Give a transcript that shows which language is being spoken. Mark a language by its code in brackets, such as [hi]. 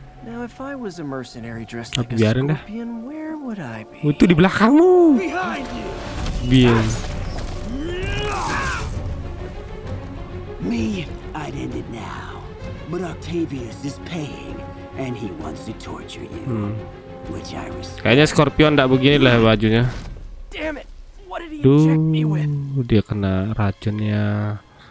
[en] Now if I was a mercenary dressed like a scorpion, where would I be? [id] Itu di belakangmu. [en] Behind you. [fr] Bien. [en] Me, I'd end it now. But Octavius is paying, and he wants to torture you, which I respect. [id] Kayaknya Scorpion tidak begini lah bajunya. [en] Damn it! What did he inject me with? [id] Dia kena racunnya